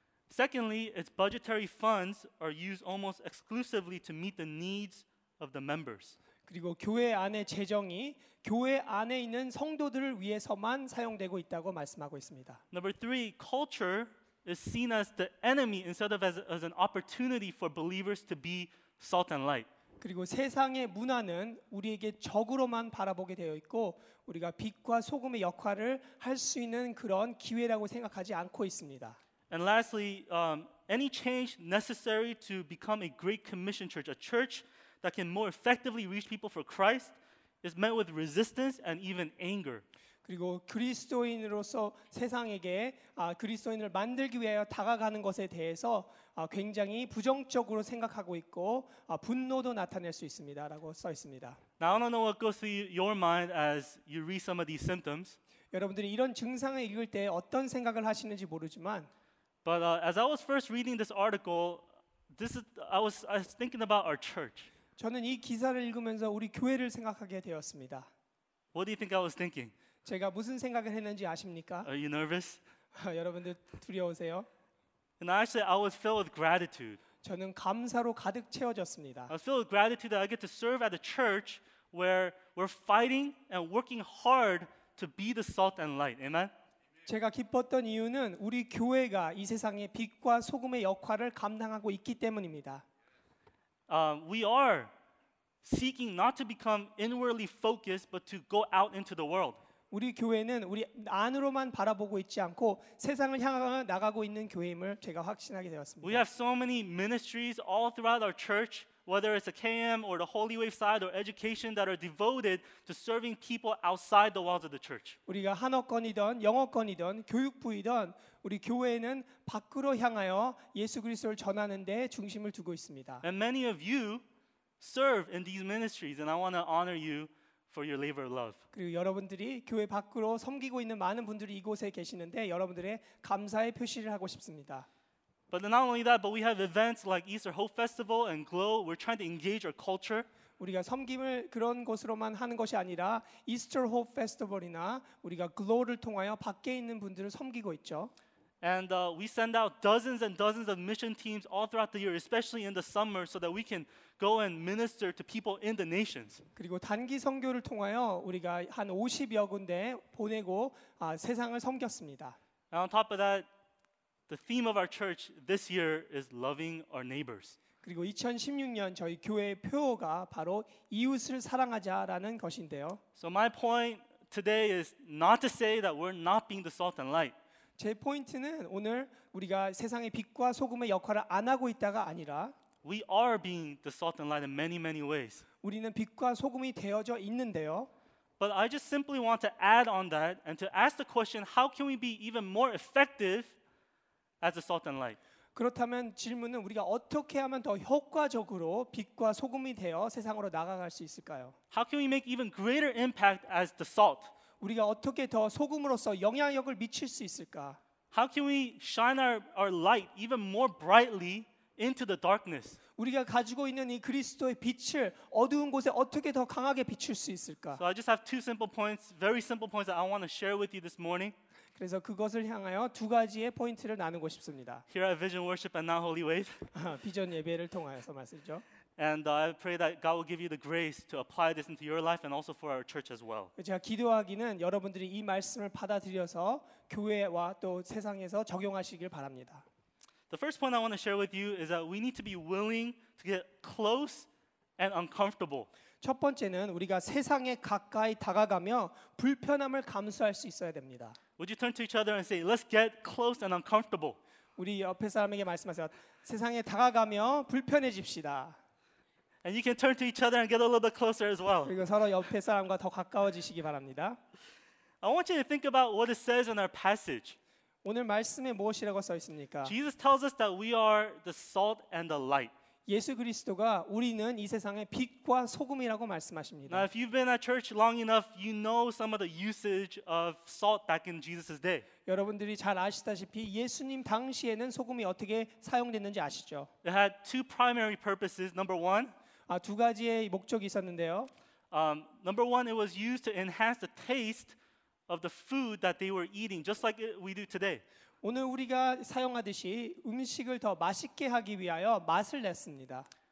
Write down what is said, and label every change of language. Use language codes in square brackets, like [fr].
[en] Secondly, its budgetary funds are used almost exclusively to meet the needs of the members. [ko] 그리고 교회 안의 재정이 교회 안에 있는 성도들을 위해서만 사용되고 있다고 말씀하고 있습니다. [en] Number three, culture is seen as the enemy instead of as an opportunity for believers to be salt and light. [ko] 그리고 세상의 문화는 우리에게 적으로만 바라보게 되어 있고 우리가 빛과 소금의 역할을 할 수 있는 그런 기회라고 생각하지 않고 있습니다. [en] And lastly, any change necessary to become a great commission church, a church that can more effectively reach people for Christ, is met with resistance and even anger. [ko] 그리고 그리스도인으로서 세상에게 그리스도인을 만들기 위해 다가가는 것에 대해서 굉장히 부정적으로 생각하고 있고 분노도 나타낼 수 있습니다라고 써 있습니다. [en] Now I don't know what goes through your mind as you read some of these symptoms. [ko] 여러분들이 이런 증상을 읽을 때 어떤 생각을 하시는지 모르지만 [en] But as I was first reading this article, I was thinking about our church. [ko] 저는 이 기사를 읽으면서 우리 교회를 생각하게 되었습니다. [en] What do you think I was thinking? [ko] 제가 무슨 생각을 했는지 아십니까? [en] Are you nervous? [ko] 여러분들 두려우세요? [en] And actually, I was filled with gratitude. [ko] 저는 감사로 가득 채워졌습니다. [en] I was filled with gratitude that I get to serve at a church where we're fighting and working hard to be the salt and light. Amen? [ko] 제가 기뻤던 이유는 우리 교회가 이 세상의 빛과 소금의 역할을 감당하고 있기 때문입니다. [en] We are seeking not to become inwardly focused, but to go out into the world. [ko] 우리 교회는 우리 안으로만 바라보고 있지 않고 세상을 향해 나가고 있는 교회임을 제가 확신하게 되었습니다. [en] We have so many ministries all throughout our church, whether it's a KM or the Holy Wave side or education that are devoted to serving people outside the walls of the church. [ko] 우리가 한어권이든 영어권이든 교육부이든 우리 교회는 밖으로 향하여 예수 그리스도를 전하는 데 중심을 두고 있습니다. [en] And many of you serve in these ministries and I want to honor you for your labor of love. [ko] 그리고 여러분들이 교회 밖으로 섬기고 있는 많은 분들이 이곳에 계시는데 여러분들의 감사의 표시를 하고 싶습니다. [en] But not only that, but we have events like Easter Hope Festival and Glow. We're trying to engage our culture. [ko] 우리가 섬김을 그런 곳으로만 하는 것이 아니라 Easter Hope Festival이나 우리가 Glow를 통하여 밖에 있는 분들을 섬기고 있죠. [en] And we send out dozens and dozens of mission teams all throughout the year, especially in the summer, so that we can go and minister to people in the nations. [ko] 그리고 단기 선교를 통하여 우리가 한 50여 군데 보내고 세상을 섬겼습니다. [en] And on top of that, the theme of our church this year is loving our neighbors. [ko] 그리고 2016년 저희 교회의 표어가 바로 이웃을 사랑하자라는 것인데요. [en] So my point today is not to say that we're not being the salt and light. [ko] 제 포인트는 오늘 우리가 세상의 빛과 소금의 역할을 안 하고 있다가 아니라 [en] We are being the salt and light in many, many ways. [ko] 우리는 빛과 소금이 되어져 있는데요. [en] But I just simply want to add on that and to ask the question, how can we be even more effective as a salt and light? [ko] 그렇다면 질문은 우리가 어떻게 하면 더 효과적으로 빛과 소금이 되어 세상으로 나아갈 수 있을까요? [en] How can we make even greater impact as the salt? [ko] 우리가 어떻게 더 소금으로서 영향력을 미칠 수 있을까? [en] How can we shine our light even more brightly into the darkness? [ko] 우리가 가지고 있는 이 그리스도의 빛을 어두운 곳에 어떻게 더 강하게 비출 수 있을까? [en] So I just have two simple points, very simple points that I want to share with you this morning. [ko] 그래서 그것을 향하여 두 가지의 포인트를 나누고 싶습니다. [en] Here at Vision Worship and now Holy Wave. [ko] 비전 예배를 통하여서 말씀이죠. [en] And I pray that God will give you the grace to apply this into your life and also for our church as well. [ko] 제가 기도하기는 여러분들이 이 말씀을 받아들여서 교회와 또 세상에서 적용하시길 바랍니다. [en] The first point I want to share with you is that we need to be willing to get close and uncomfortable. [ko] 첫 번째는 우리가 세상에 가까이 다가가며 불편함을 감수할 수 있어야 됩니다. [en] Would you turn to each other and say, "Let's get close and uncomfortable"? [ko] 우리 옆에 사람에게 말씀하세요. 세상에 다가가며 불편해집시다. [en] And you can turn to each other and get a little closer as well. [ko] 그리고 서로 옆에 사람과 더 가까워지시기 바랍니다. [en] I want you to think about what it says in our passage. [ko] 오늘 말씀에 무엇이라고 써 있습니까? [en] Jesus tells us that we are the salt and the light. [ko] 예수 그리스도가 우리는 이 세상의 빛과 소금이라고 말씀하십니다. [en] Now, if you've been at church long enough, you know some of the usage of salt back in Jesus' day. [ko] 여러분들이 잘 아시다시피 예수님 당시에는 소금이 어떻게 사용됐는지 아시죠? [en] It had two primary purposes. Number one, [ko] 두 가지의 목적이 있었는데요. [en] Number one, it was used to enhance the taste of the food that they were eating, just like we do today. [ko] 오늘 우리가 사용하듯이 음식을 더 맛있게 하기 위하여 맛을 냈습니다.